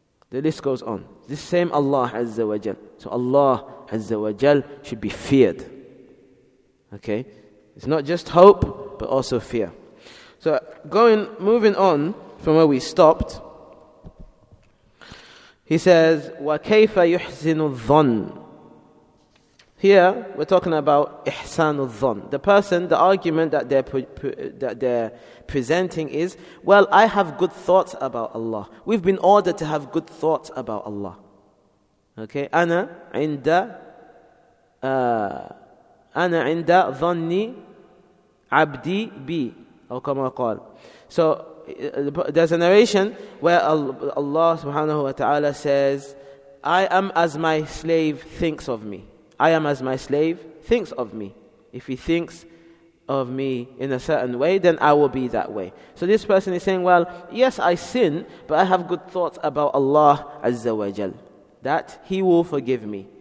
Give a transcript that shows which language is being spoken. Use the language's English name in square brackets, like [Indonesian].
[English] The list goes on. This same Allah Azza wa Jal. So Allah Azza wa Jal should be feared. Okay? It's not just hope, but also fear. So moving on from where we stopped, He says, [Arabic] وَكَيْفَ يُحْزِنُ الظَّنُ. [English] Here, we're talking about إِحْسَانُ الظَّنُ. The person, the argument that they're presenting is, well, I have good thoughts about Allah. We've been ordered to have good thoughts about Allah. Okay? [Arabic] أَنَا عِنْدَ أَنَا عِنْدَ ظَنِّي عَبْدِي بِي أو كَمَا قَال. [English] So, there's a narration where Allah subhanahu wa ta'ala says, I am as my slave thinks of me. I am as my slave thinks of me. If he thinks of me in a certain way, then I will be that way. So this person is saying, well, yes, I sin, but I have good thoughts about Allah azza wa jal, that he will forgive me.